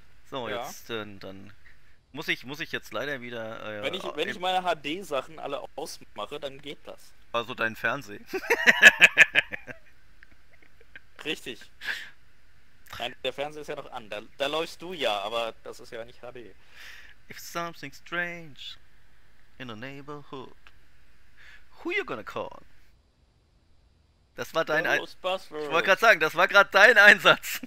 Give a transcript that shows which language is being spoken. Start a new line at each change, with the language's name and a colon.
German: So, jetzt, dann... Muss ich jetzt leider wieder... Wenn ich meine HD-Sachen alle ausmache, dann geht das. Also dein Fernsehen. Richtig. Nein, der Fernseher ist ja noch an. Da läufst du ja, aber das ist ja nicht HD.
English: If something strange in a neighborhood, who you gonna call?
German: Das war dein Einsatz. Ich wollte gerade sagen, das war gerade dein Einsatz.